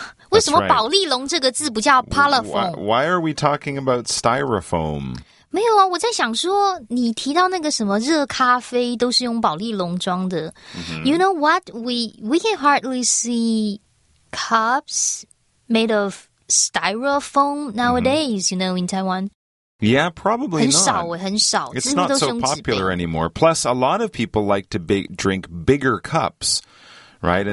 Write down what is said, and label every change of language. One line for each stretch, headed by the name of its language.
Chinese: 为什么宝丽龙这个字不叫 polyfoam?
English: Why are we talking about styrofoam?
Chinese: 没有啊，我在想说，你提到那个什么热咖啡都是用宝丽龙装的。 Mm-hmm.
English: You know what? We can hardly see cups made of styrofoam nowadays,、mm-hmm. you know, in Taiwan. Yeah, probably not.
Chinese: 很少耶，很少。
English: It's not so popular anymore. Plus, a lot of people like to drink bigger cups, right?